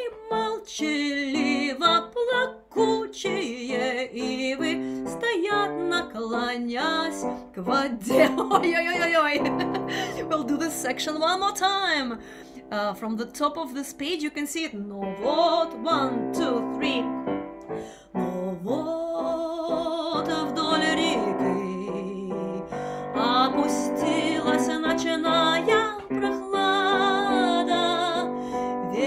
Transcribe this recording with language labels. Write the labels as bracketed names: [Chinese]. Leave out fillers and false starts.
[Russian] Молчаливо плакучие ивы стоят, наклонясь к воде. Ой-ой-ой-ой-ой! [English] We'll do this section one more time. From the top of this page you can see it. [Russian] Ну вот, [English] one, two, three. [Russian] Ну вот вдоль реки опустилась ночная прохлада.